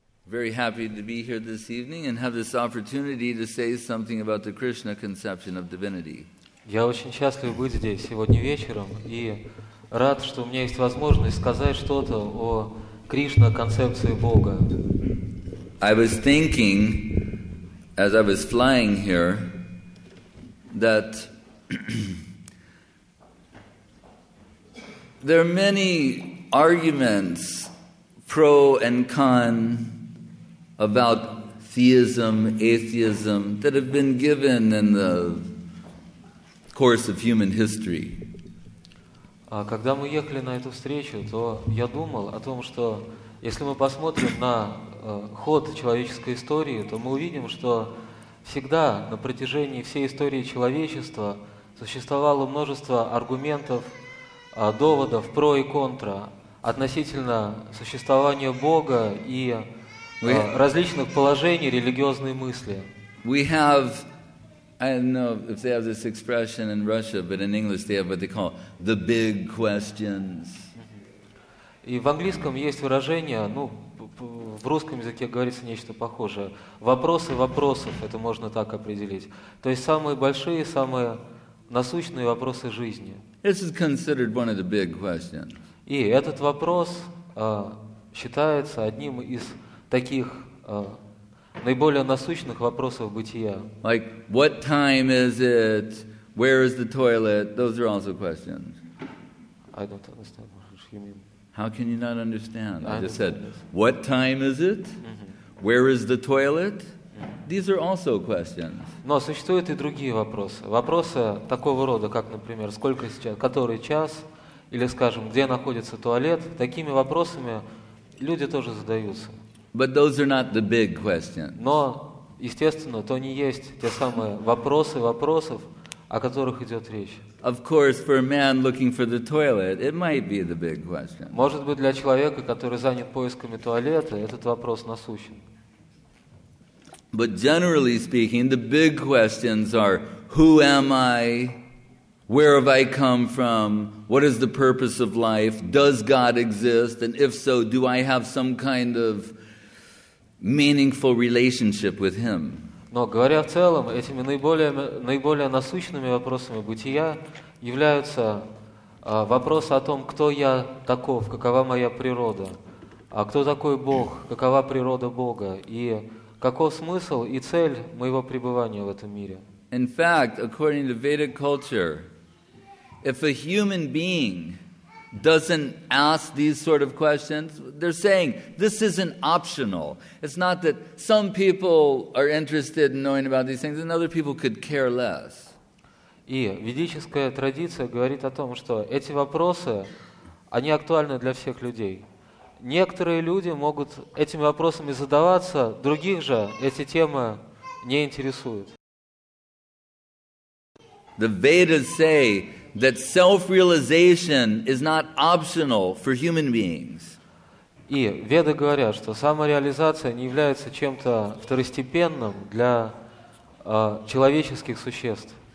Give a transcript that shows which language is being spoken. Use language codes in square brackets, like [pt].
[en] Very happy to be here this evening and have this opportunity to say something about the Krishna conception of divinity. [ru] Я очень счастлив быть здесь сегодня вечером и рад, что у меня есть возможность сказать что-то о Кришна концепции Бога. [en] I was thinking as I was flying here that there are many arguments pro and con about theism, atheism that have been given in the course of human history. [ru] Когда мы ехали на эту встречу, то я думал о том, что если мы посмотрим на ход человеческой истории, то мы увидим, что всегда на протяжении всей истории человечества существовало множество аргументов, доводов про и контра относительно существования Бога и различных положений религиозной мысли. [en] We have, I don't know if they have this expression in Russia, but in English they have what they call the big questions. [ru] И в английском есть выражение, ну, в русском языке говорится нечто похожее. Вопросы вопросов, это можно так определить. То есть самые большие, самые насущные вопросы жизни. [en] This is considered one of the big questions. [ru] И этот вопрос считается одним из таких наиболее насущных вопросов бытия. [en] Like, what time is it? Where is the toilet? Those are also questions. I don't understand what you mean. How can you not understand? I just said, what time is it? Mm-hmm. Where is the toilet? Mm-hmm. These are also questions. [ru] Но существуют и другие вопросы. Вопросы такого рода, как, например, сколько сейчас, который час, или, скажем, где находится туалет, такими вопросами люди тоже задаются. [en] But those are not the big questions. [ru] Но, естественно, то не есть те самые вопросы вопросов, о которых идет речь. [en] Of course, for a man looking for the toilet, it might be the big question. [ru] Может быть, для человека, который занят поисками туалета, этот вопрос насущен. [en] But generally speaking, the big questions are, who am I? Where have I come from? What is the purpose of life? Does God exist? And if so, do I have some kind of meaningful relationship with Him? [ru] Но говоря в целом, этими наиболее насущными вопросами бытия являются вопросы о том, кто я таков, какова моя природа, а кто такой Бог, какова природа Бога и каков смысл и цель моего пребывания в этом мире. [en] In fact, according to Vedic culture, if a human being doesn't ask these sort of questions, they're saying this isn't optional. It's not that some people are interested in knowing about these things and other people could care less. [ru] И ведическая традиция говорит о том, что эти вопросы, они актуальны для всех людей. Некоторые люди могут этими вопросами задаваться, других же эти темы не интересуют. [en] The Vedas say that self-realization is not optional for human beings. [ru] И веды говорят, что самореализация не является чем-то второстепенным для человеческих существ.